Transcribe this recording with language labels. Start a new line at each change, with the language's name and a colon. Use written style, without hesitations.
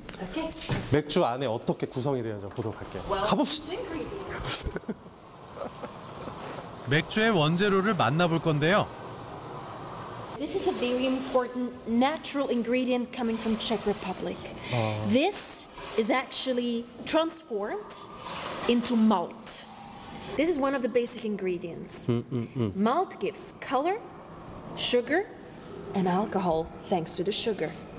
English: Okay.
Korean: 맥주 안에 어떻게 구성이 되는지 보도록 할게요. 가봅시다. 맥주의 원재료를 만나볼 건데요.
English: This is a very important natural ingredient coming from Czech Republic. This is actually transformed into malt. This is one of the basic ingredients. Malt gives color, sugar, and alcohol thanks to the sugar.